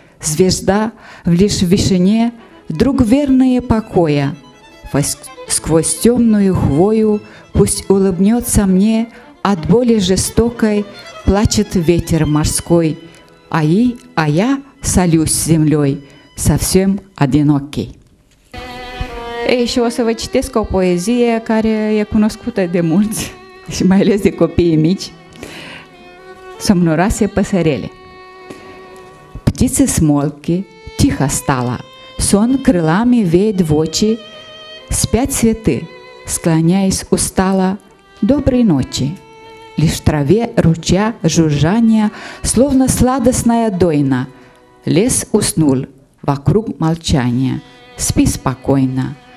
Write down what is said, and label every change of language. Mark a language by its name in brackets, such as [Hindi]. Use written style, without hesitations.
[Russian] Звезда лишь в вишине, друг верные покоя, сквозь темную хвою пусть улыбнется мне, от боли жестокой плачет ветер морской, а я солюсь с землей, совсем одинокий. [Romanian] Și o să vă citesc o poezie care e cunoscută de mulți, și mai ales de copiii mici. Somnoroase păsărele. [Russian] Птицы смолки, тихо стало, сон крылами веет в очи, спят цветы, склоняясь устало, доброй ночи. Лишь в траве ручья жужжания, словно сладостная дойна, лес уснул, вокруг молчания, спи спокойно.